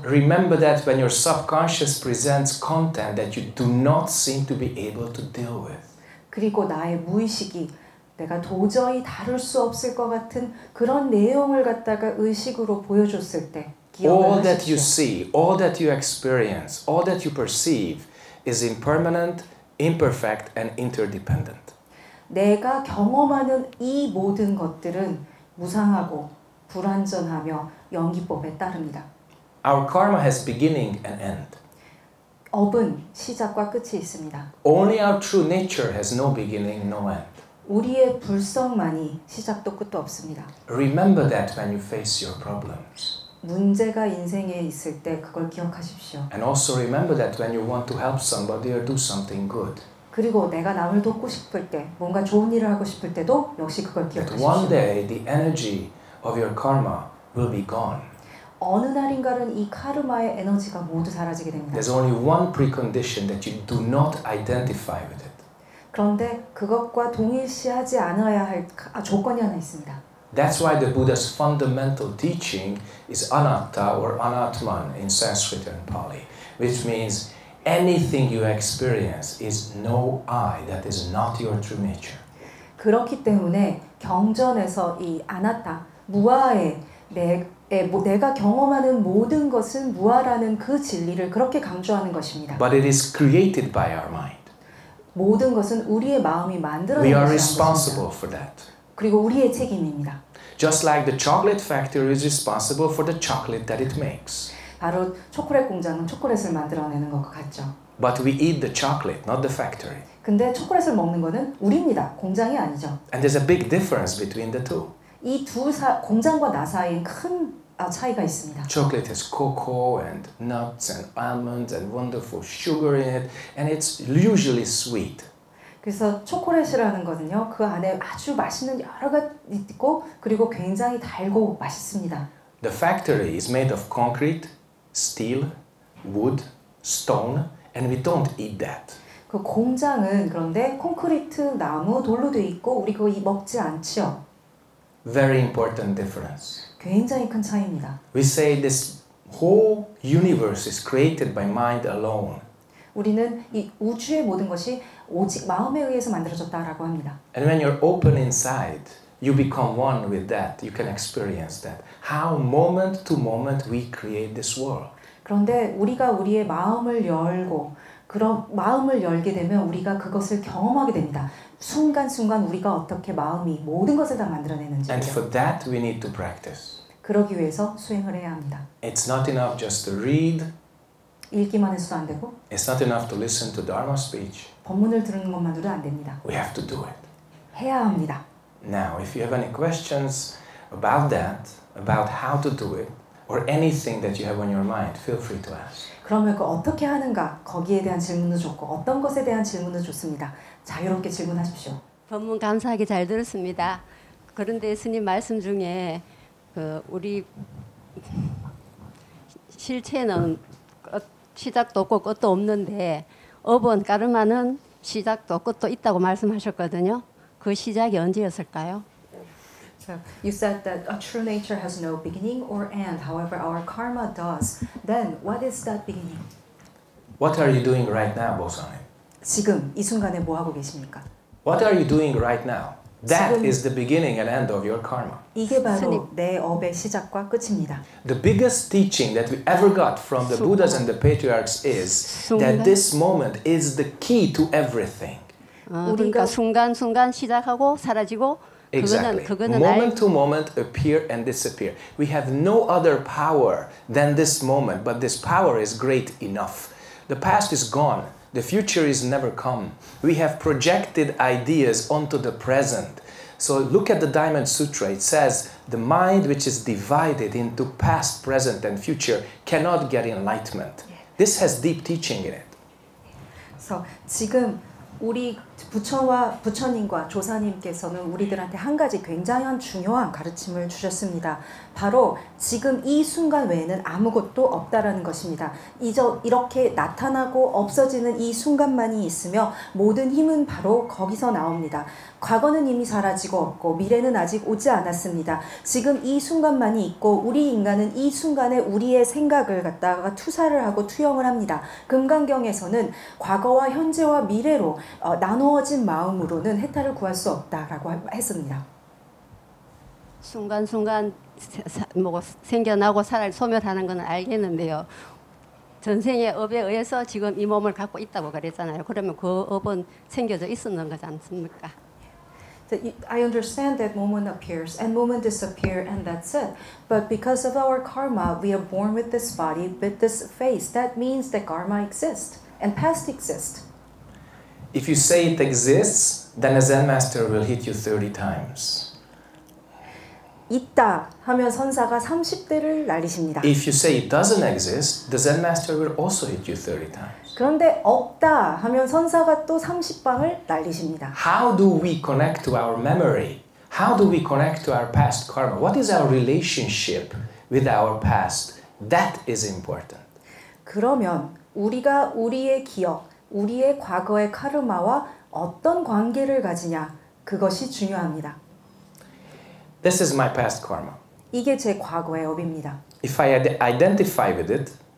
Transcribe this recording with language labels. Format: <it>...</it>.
<en>Remember that when your subconscious presents content that you do not seem to be able to deal with.</en> <ko>그리고 나의 무의식이 내가 도저히 다룰 수 없을 것 같은 그런 내용을 갖다가 의식으로 보여줬을 때 기억하십시오.</ko> <en>All that you see, all that you experience, all that you perceive is impermanent, imperfect and interdependent.</en> <ko>내가 경험하는 이 모든 것들은 무상하고 불완전하며 연기법에 따릅니다.</ko> <en>Our karma has beginning and end.</en> <ko>업은 시작과 끝이 있습니다.</ko> <en>Only our true nature has no beginning, no end.</en> <ko>우리의 불성만이 시작도 끝도 없습니다.</ko> <en>Remember that when you face your problems.</en> <ko>문제가 인생에 있을 때 그걸 기억하십시오.</ko> <en>And also remember that when you want to help somebody or do something good.</en> <ko>그리고 내가 남을 돕고 싶을 때, 뭔가 좋은 일을 하고 싶을 때도 역시 그걸 기억하십시오.</ko> <en>One day the energy of your karma will be gone.</en> <ko>어느 날인가는 이 카르마의 에너지가 모두 사라지게 됩니다.</ko> <en>There's only one precondition that you do not identify with it.</en> <ko>그런데 그것과 동일시하지 않아야 할 조건이 하나 있습니다.</ko> <en>That's why the Buddha's fundamental teaching is anatta or anatman in Sanskrit and Pali, which means anything you experience is no I that is not your true nature.</en> <ko>그렇기 때문에 경전에서 이 아나타 무아의 내가 경험하는 모든 것은 무아라는 그 진리를 그렇게 강조하는 것입니다.</ko> <en>But it is created by our mind.</en> <ko>모든 것은 우리의 마음이 만들어낸 것입니다.</ko> <en>We are responsible for that.</en> <ko>그리고 우리의 책임입니다.</ko> <en>Just like the chocolate factory is responsible for the chocolate that it makes.</en> <ko>바로 초콜릿 공장은 초콜릿을 만들어내는 것 같죠.</ko> <en>But we eat the chocolate, not the factory.</en> <ko>근데 초콜릿을 먹는 것은 우리입니다. 공장이 아니죠.</ko> <en>And there's a big difference between the two.</en> <ko>이 두 공장과 나 사이엔 큰 차이가 있습니다.</ko> <en>Chocolate has cocoa and nuts and almonds and wonderful sugar in it, and it's usually sweet.</en> <ko>그래서 초콜릿이라는 것은요, 그 안에 아주 맛있는 여러 가지 있고, 그리고 굉장히 달고 맛있습니다.</ko> <en>The factory is made of concrete, steel, wood, stone, and we don't eat that.</en> <ko>그 공장은 그런데 콘크리트, 나무, 돌로 되어 있고 우리 그거 먹지 않죠.</ko> <en>Very important difference.</en> <ko>굉장히 큰 차이입니다.</ko> <en>We say this whole universe is created by mind alone.</en> <ko>우리는 이 우주의 모든 것이 오직 마음에 의해서 만들어졌다라고 합니다.</ko> <en>And when you're open inside, you become one with that. You can experience that. How moment to moment we create this world.</en> <ko>그런데 우리가 우리의 마음을 열고 그런 마음을 열게 되면 우리가 그것을 경험하게 됩니다. 순간순간 우리가 어떻게 마음이 모든 것을 다 만들어내는지.</ko> <en>And for that we need to practice.</en> <ko>그러기 위해서 수행을 해야 합니다.</ko> <en>It's not enough just to read.</en> <ko>읽기만 해서도 안 되고.</ko> <en>It's not enough to listen to Dharma speech.</en> <ko>법문을 들은 것만으로도 안 됩니다.</ko> <en>We have to do it.</en> <ko>해야 합니다.</ko> <en>Now, if you have any questions about that, about how to do it, or anything that you have on your mind, feel free to ask.</en> <ko>그러면 그 어떻게 하는가 거기에 대한 질문도 좋고 어떤 것에 대한 질문도 좋습니다. 자유롭게 질문하십시오. 법문 감사하게 잘 들었습니다. 그런데 스님 말씀 중에 우리 실체는 시작도 없고 끝도 없는데 어본 까르마는 시작도 끝도 있다고 말씀하셨거든요. 그 시작이 언제였을까요?</ko> <en>You said that a true nature has no beginning or end. However, our karma does. Then, what is that beginning? What are you doing right now, Bosanim?</en> <ko>지금 이 순간에 뭐 하고 계십니까?</ko> <en>What are you doing right now? That is the beginning and end of your karma.</en> <ko>이게 바로 내 업의 시작과 끝입니다.</ko> <en>The biggest teaching that we ever got from the Buddhas and the patriarchs is that this moment is the key to everything.</en> <ko>우리가 순간순간 시작하고 사라지고</ko> <en>Exactly.</en> <ko>그거는</ko> <en>moment to moment appear and disappear. We have no other power than this moment, but this power is great enough. The past is gone. The future is never come. We have projected ideas onto the present. So look at the Diamond Sutra. It says, the mind which is divided into past, present, and future cannot get enlightenment. This has deep teaching in it.</en> <ko>So 지금 우리 부처와 부처님과 조사님께서는 우리들한테 한 가지 굉장히 중요한 가르침을 주셨습니다. 바로 지금 이 순간 외에는 아무것도 없다라는 것입니다. 이렇게 나타나고 없어지는 이 순간만이 있으며 모든 힘은 바로 거기서 나옵니다. 과거는 이미 사라지고 없고 미래는 아직 오지 않았습니다. 지금 이 순간만이 있고 우리 인간은 이 순간에 우리의 생각을 갖다가 투사를 하고 투영을 합니다. 금강경에서는 과거와 현재와 미래로 나누어진 마음으로는 해탈을 구할 수 없다라고 했습니다. 순간순간 뭐 생겨나고 살아 소멸하는 건 알겠는데요. 전생의 업에 의해서 지금 이 몸을 갖고 있다고 그랬잖아요. 그러면 그 업은 생겨져 있었는 거지 않습니까?</ko> <en>I understand that moment appears and moment disappears and that's it. But because of our karma, we are born with this body, with this face. That means that karma exists and past exists. If you say it exists, then a Zen master will hit you 30 times.</en> <ko>있다 하면 선사가 30대를 날리십니다.</ko> <en>If you say it doesn't exist, the Zen master will also hit you 30 times.</en> <ko>그런데 없다 하면 선사가 또 30방을 날리십니다.</ko> <en>How do we connect to our memory? How do we connect to our past karma? What is our relationship with our past? That is important.</en> <ko>그러면 우리가 우리의 기억, 우리의 과거의 카르마와 어떤 관계를 가지냐? 그것이 중요합니다.</ko> <en>This is my past karma.</en> <ko>이게 제 과거의 업입니다.</ko> <en>If I identify with it,</en>